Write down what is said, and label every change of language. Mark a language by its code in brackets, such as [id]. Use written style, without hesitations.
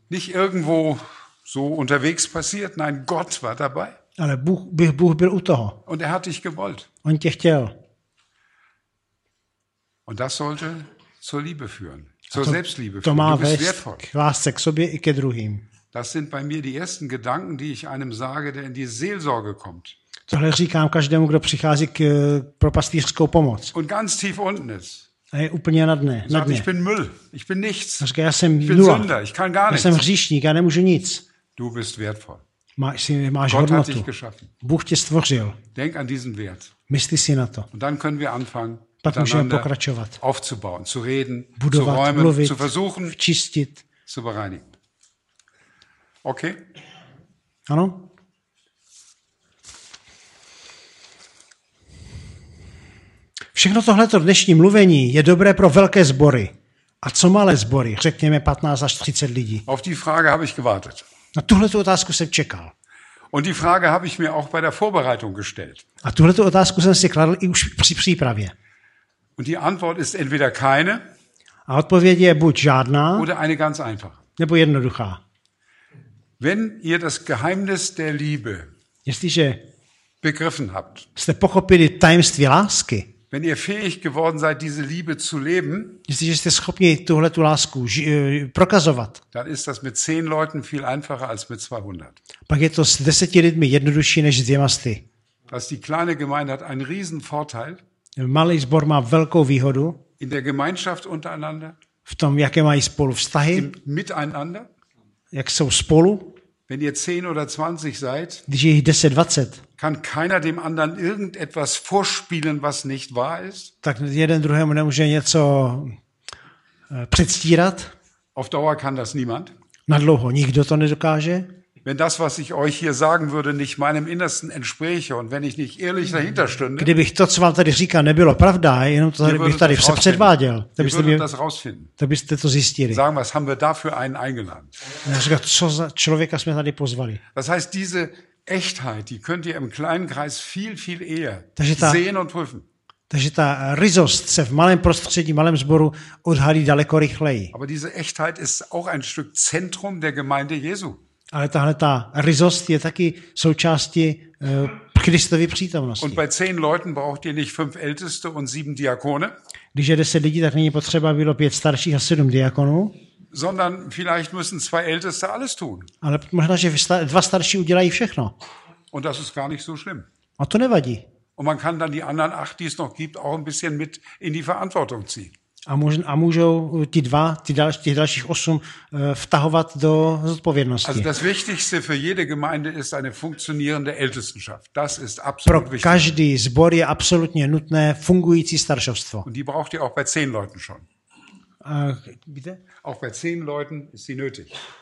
[de] Nicht irgendwo so unterwegs passiert, nein, Gott war dabei. [cs] Ale Bůh byl u toho. [de] Und er hat dich gewollt. [cs] On tě chtěl. [de] Und das sollte zur Liebe führen, zur Selbstliebe. [cs] To má vést k lásce k sobě i ke druhým. [de] Das sind bei mir die ersten Gedanken, die ich einem sage, der in die Seelsorge kommt. [cs] Tohle říkám každému, kdo přichází k pro pastýřskou pomoc. [de] Und ganz tief unten ist. [cs] A je úplně na dne. Na dne. [de] Ich bin Müll. Ich bin nichts. [cs] Říká, já jsem [de] ich bin [cs] nula. [de] Sünder. Ich kann gar nichts. [cs] Já jsem hříšník, já nemůžu nic. [de] Du bist wertvoll. [cs] Máš Gott hodnotu. [de] Hat dich geschaffen. [cs] Bůh tě stvořil. [de] Denk an diesen Wert. [cs] Myslí si na to. [de] Und dann können wir anfangen, [cs] pak můžeme pokračovat. [de] Aufzubauen, zu reden, [cs] budovat, [de] zu räumen, [cs] mluvit, [de] zu versuchen, [cs] čistit. [de] Zu bereinigen. Okay? [cs] Ano? Všechno tohleto dnešní mluvení je dobré pro velké sbory. A co malé sbory? Řekněme 15 až 30 lidí. [de] Auf die Frage habe ich gewartet. [cs] Na tuhle otázku jsem čekal. [de] Und die Frage habe ich mir auch bei der Vorbereitung gestellt. [cs] A tuhle otázku jsem si kladl i už při přípravě. [de] Und die Antwort ist entweder keine. [cs] A odpověď je buď žádná. [de] Oder eine ganz einfache. [cs] Nebo jednoduchá. [de] Wenn ihr das Geheimnis der Liebe. [cs] Jestliže [de] begriffen habt. [cs] Jste pochopili tajemství lásky. [de] Wenn ihr fähig geworden seid, diese Liebe zu leben, [cs] jestliže jste schopni tuhle tu lásku prokazovat, [de] dann ist das mit 10 Leuten viel einfacher als mit 200. [cs] Pak je to s 10 lidmi jednodušší než s 200. [de] Dass die kleine Gemeinde hat einen riesen Vorteil. [cs] Malý sbor má velkou výhodu. [de] In der Gemeinschaft untereinander. [cs] V tom, jaké mají spolu vztahy. [de] Im miteinander. [cs] Jak jsou spolu. [de] Wenn ihr 10 oder 20 seid, [cs] když je jich 10, 20, [de] kann keiner dem anderen irgendetwas vorspielen, was nicht wahr ist. [cs] Tak jeden druhému nemůže něco předstírat. [de] Auf Dauer kann das niemand. [cs] Na dlouho nikdo to nedokáže. [de] Wenn das, was ich euch hier sagen würde, nicht meinem Innersten entspräche und wenn ich nicht ehrlich dahinter stünde, [cs] kdybych to, co vám tady říkal, nebylo pravda, jenom to bych tady se předváděl, to byste to zjistili. [de] Sagen, was haben wir dafür einen eingeladen? [cs] Já říkám, co za člověka jsme tady pozvali. [de] Das heißt, diese Echtheit, die könnt ihr im kleinen Kreis viel, viel eher sehen und prüfen. [cs] Takže ta ryzost se v malém prostředí, malém sboru odhalí daleko rychleji. [de] Aber diese Echtheit ist auch ein Stück Zentrum der Gemeinde Jesu. [cs] Ale tahle ta ryzost je taky součástí Kristovy přítomnosti. [de] Und bei 10 Leuten braucht ihr nicht 5 älteste und 7 Diakone. [cs] Když je 10 lidí, tak není potřeba, bylo 5 starších a 7 diakonů. [de] Sondern vielleicht müssen 2 älteste alles tun. [cs] Ale možná, že 2 starší udělají všechno. [de] Und das ist gar nicht so schlimm. [cs] A to nevadí. [de] Und man kann dann die anderen 8, die es noch gibt, auch ein bisschen mit in die Verantwortung ziehen. [cs] A můžou ti dva, těch dalších 8 vtahovat do zodpovědnosti. [de] Also das Wichtigste für jede Gemeinde ist eine funktionierende Ältestenschaft. Das ist absolut wichtig. [cs] Pro každý sbor je absolutně nutné fungující staršovstvo. [de] Und die braucht ihr auch bei 10 Leuten schon. Bitte? Auch bei 10 Leuten ist sie nötig.